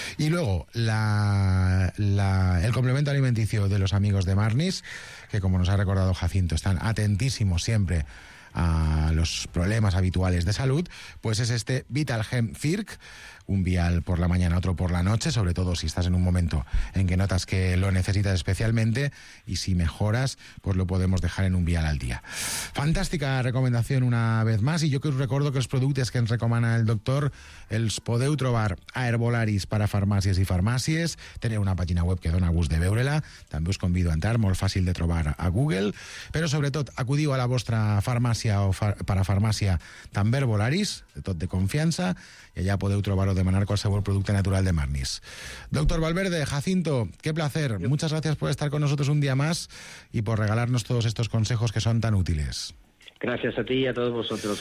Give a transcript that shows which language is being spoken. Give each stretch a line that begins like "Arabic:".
Spanish: Y luego, el complemento alimenticio de los amigos de Marnis, que como nos ha recordado Jacinto, están atentísimos siempre a los problemas habituales de salud, pues es este Vitalgen Circ, un vial por la mañana, otro por la noche, sobre todo si estás en un momento en que notas que lo necesitas especialmente, y si mejoras, pues lo podemos dejar en un vial al día. Fantástica recomendación una vez más, y yo que os recuerdo que los productos que nos recomienda el doctor los
Catalan: podeu trobar a Herbolaris para farmàcies i farmàcies. Tenir una pàgina web que dona gust de veure-la. També us convido a entrar, molt fàcil de trobar a Google. Però, sobretot, acudiu a la vostra farmàcia o parafarmàcia també Herbolaris, de tot de confiança, i allà podeu trobar o demanar qualsevol producte natural de Marnis.
Spanish: Doctor Valverde, Jacinto, qué placer. Muchas gracias por estar con nosotros un día más y por regalarnos todos estos consejos que son tan útiles. Gracias a ti y a todos vosotros.